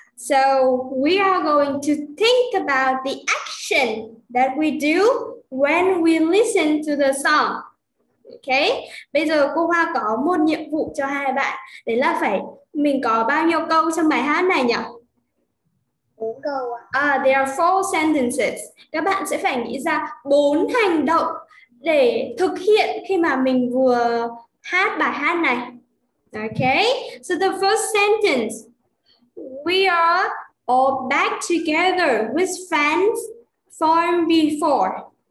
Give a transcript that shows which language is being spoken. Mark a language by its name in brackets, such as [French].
[English] So we are going to think about the action that we do when we listen to the song. Okay? [Vietnamese] Bây giờ cô Hoa có một nhiệm vụ cho hai bạn. Đấy là phải mình có bao nhiêu câu trong bài hát này nhỉ? 4 câu ạ. [English] There are 4 sentences. [Vietnamese] Các bạn sẽ phải nghĩ ra 4 hành động để thực hiện khi mà mình vừa hát bài hát này. [English] Okay, so the first sentence. We are all back together with friends from before.